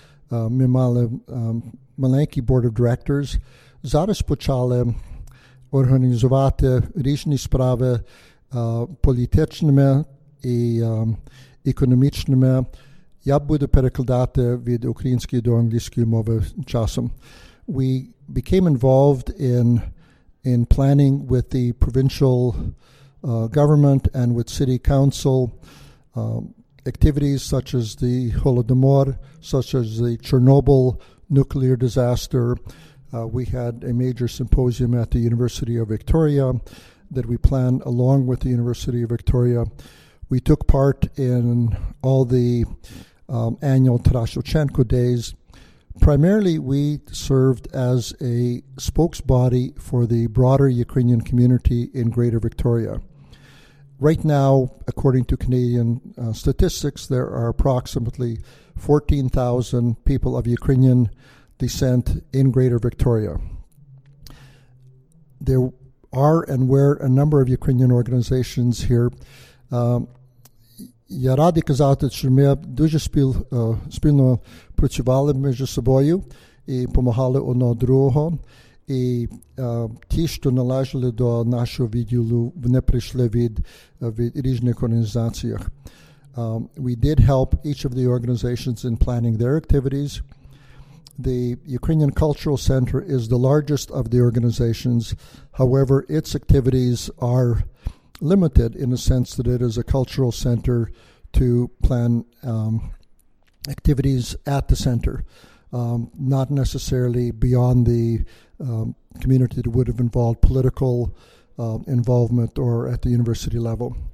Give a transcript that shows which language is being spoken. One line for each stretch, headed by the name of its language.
Ukrainian: Ми мали маленький
English: board of directors.
Ukrainian: Зараз почали організувати різні справи політичними і економічними. Я буду перекладати від української до англійської мови часом.
English: We became involved in planning with the provincial government and with city council activities such as the Holodomor, such as the Chernobyl nuclear disaster. We had a major symposium at the University of Victoria that we planned along with the University of Victoria. We took part in all the annual Tarashevchenko days. Primarily, we served as a spokesbody for the broader Ukrainian community in Greater Victoria. Right now, according to Canadian statistics, there are approximately 14,000 people of Ukrainian descent in Greater Victoria. There are and were a number of Ukrainian organizations here.
Ukrainian: Я радий казати, що ми дуже спільно працювали між собою і допомагали одне другому. І ті, що належали до нашого відділу, вони прийшли від різних організацій.
English: We did help each of the organizations in planning their activities. The Ukrainian Cultural Center is the largest of the organizations. However, its activities are limited in the sense that it is a cultural center to plan activities at the center, not necessarily beyond the community that would have involved political involvement or at the university level.